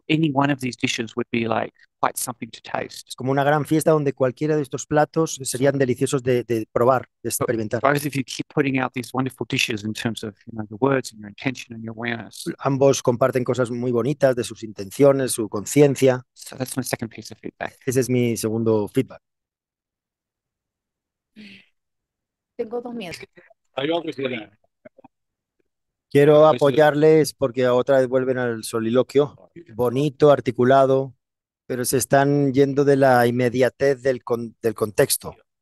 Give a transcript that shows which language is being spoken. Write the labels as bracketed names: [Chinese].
[English] Any one of these dishes would be like quite something to taste. [Spanish] Es como una gran fiesta donde cualquiera de estos platos serían deliciosos de probar, de experimentar. [English] But if you keep putting out these wonderful dishes in terms of, you know, the words and your intention and your awareness. [Spanish] Ambos comparten cosas muy bonitas de sus intenciones, su conciencia. [English] So that's my second piece of feedback. [Spanish] Ese es mi segundo feedback. Tengo dos miedos. Quiero apoyarles porque otra vez vuelven al soliloquio, bonito, articulado, pero se están yendo de la inmediatez del contexto.